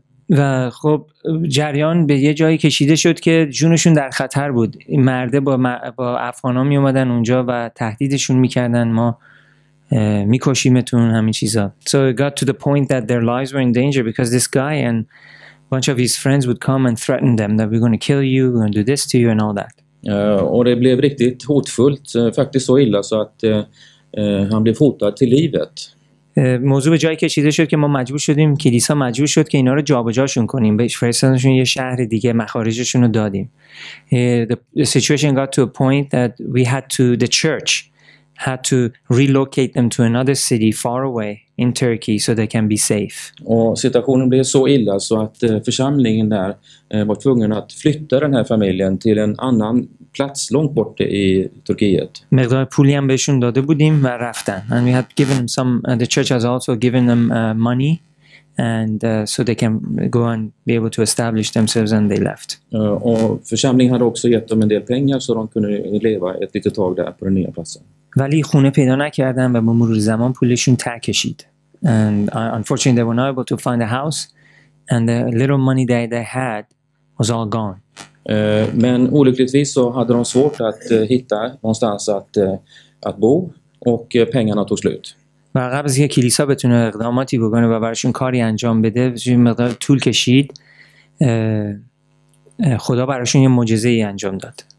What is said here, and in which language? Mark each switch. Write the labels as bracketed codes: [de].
[fa] و خب جریان به یه جایی کشیده شد که جونشون در خطر بود. مرده با افغانا می اومدن اونجا و تهدیدشون میکردن ما میکشیمتون همین چیزا. [en] So it got to the point that their lives were in danger because this guy and a bunch of his friends would come and threaten them that we're going to kill you, we're going to do this to you and all that. [sv] Och det blev riktigt hotfullt, faktiskt så illa så att han blev hotad till livet. [fa] موضوع به جایی کشیده شد که ما مجبور شدیم، کلیسا مجبور شد که اینا رو جابجاشون کنیم، به فرستادنشون یه شهر دیگه، مخارجشون رو دادیم. [en] The situation got to a point that we had to the church had to relocate them to another city far away in Turkey so they can be safe. [sv] Och situationen blev så illa så att församlingen där var tvungen att flytta den här familjen till en annan plats långt bort i Turkiet. [fa] مقدار پولی هم بهشون داده بودیم و رفتن. [en] And we had given them some the church has also given them money and so they can go and be able to establish themselves and they left. [sv] Och församlingen hade också gett dem en del pengar så de kunde leva ett litet tag där på den nya platsen. [fa] ولی خونه پیدا نکردن و با مرور زمان پولشون ته کشید. [en] And unfortunately they were not able to find a house and the little money that they had was all gone. [sv] Men olyckligtvis så hade de svårt att hitta någonstans att att bo och pengarna tog slut. [fa] و قبل از اینکه کلیسا بتونه اقداماتی بکنه و براشون کاری انجام بده، یه مقدار طول کشید. خدا براشون یه معجزه ای انجام داد.